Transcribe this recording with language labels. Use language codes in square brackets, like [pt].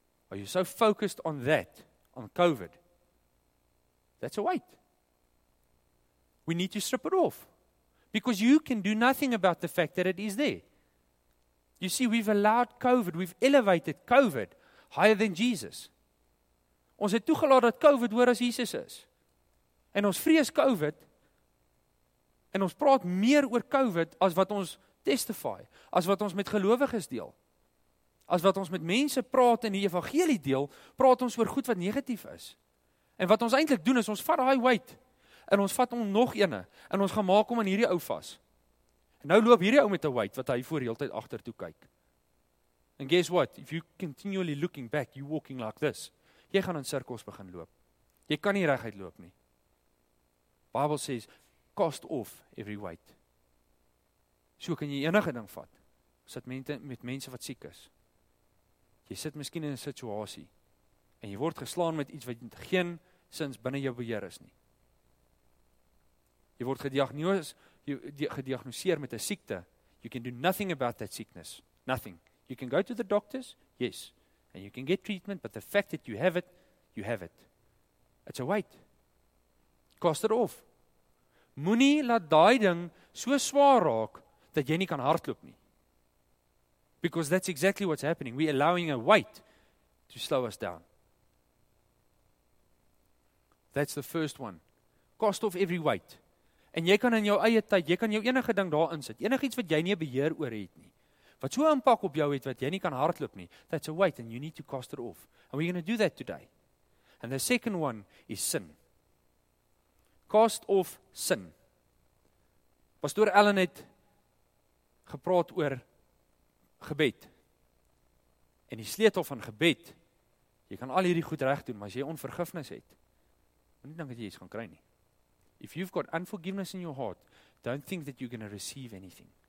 [en] Are you so focused on that, on COVID? That's a weight. We need to strip it off. Because you can do nothing about the fact that it is there. You see, we've allowed COVID, we've elevated COVID higher than Jesus. [af] Ons het toegelaat dat COVID hoër as Jesus is. En ons vrees COVID, en ons praat meer oor COVID as wat ons testify, as wat ons met gelowiges deel. As wat ons met mense praat en die evangelie deel, praat ons oor goed wat negatief is. En wat ons eintlik doen is, ons vat daai weight, en ons vat hom nog ene, en ons gaan maak hom aan hierdie ou vas. En nou loop hierdie ou met 'n weight, wat hy voor die hele tyd agter toe kyk. [en] And guess what, if you continually looking back, you walking like this, [af] jy gaan in sirkels begin loop. Jy kan nie reguit loop nie. [en] Bible says, cast off every weight. [af] So kan jy enige ding vat. Sit met mense wat siek is. Jy sit miskien in 'n situasie en jy word geslaan met iets wat geen sins binne jou beheer is nie. Jy word gediagnoseer met 'n siekte. [en] You can do nothing about that sickness. Nothing. You can go to the doctors, yes. And you can get treatment, but the fact that you have it, you have it. It's a weight. Cast it off. [af] Moenie laat daai ding so swaar raak dat jy nie kan hardloop nie. [en] Because that's exactly what's happening. We're allowing a weight to slow us down. That's the first one. Cast off every weight. [af] En jy kan in jou eie tyd, jy kan jou enige ding daar insit. Enig iets wat jy nie beheer oor het nie. Wat so 'n impak op jou het wat jy nie kan hardloop nie. [en] That's a weight and you need to cast it off. And we're going to do that today. And the second one is sin. Cast off sin. [af] Pastoor Allen het gepraat oor gebed. En die sleutel van gebed, jy kan al hierdie goed reg doen, maar as jy onvergifnis het, moet nie dink dat jy iets gaan kry nie. [en] If you've got unforgiveness in your heart, don't think that you're going to receive anything.